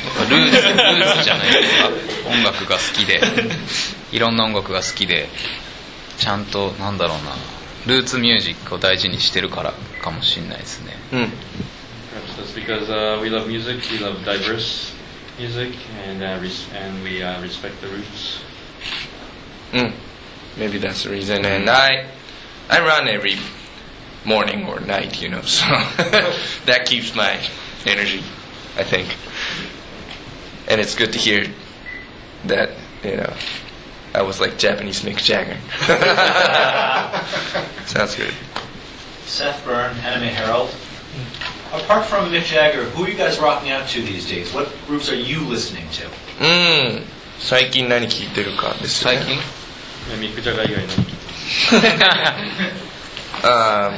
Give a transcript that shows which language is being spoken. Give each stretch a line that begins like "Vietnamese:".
Japanese: ルーズじゃないですか。音楽が好きで、いろんな音楽が好きで、ちゃんとなんだろうな、ルーツミュージックを大事にしてるからかもしれないですね。
English: Perhaps that's because we love music, we love diverse music, and we respect the roots. Maybe that's the reason. And I run every morning or night, you know, so that keeps my energy, I think. And it's good to hear that, you know, I was like Japanese Mick Jagger. Sounds good. Seth Byrne, Anime Herald. Apart from Mick Jagger, who are you guys rocking out to these days? What groups are you listening to?
Japanese: 最近何聴いてるかですね。最近？ミック・ジャガー以外何？